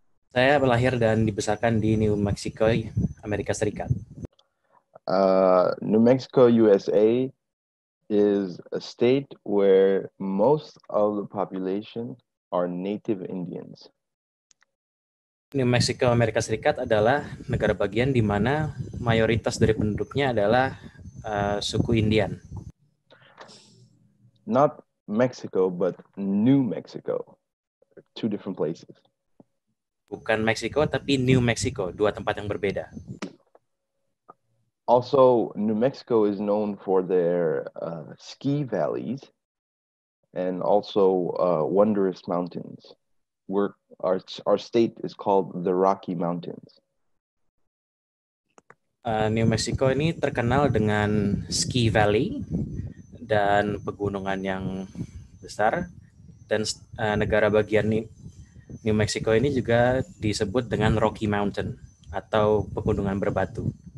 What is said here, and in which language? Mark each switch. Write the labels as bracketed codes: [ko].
[id] Saya lahir dan dibesarkan di New Mexico, Amerika Serikat. [en] New Mexico, USA is a state where most of the population are native Indians. [id] New Mexico, Amerika Serikat adalah negara bagian di mana mayoritas dari penduduknya adalah suku Indian. [en] Not Mexico, but New Mexico. Two different places. [id] Bukan Mexico, tapi New Mexico. Dua tempat yang berbeda. [en] Also, New Mexico is known for their ski valleys and also wondrous mountains. Our state is called the Rocky Mountains. [id] New Mexico ini terkenal dengan ski valley dan pegunungan yang besar. Dan negara bagian New Mexico ini juga disebut dengan Rocky Mountain atau pegunungan berbatu.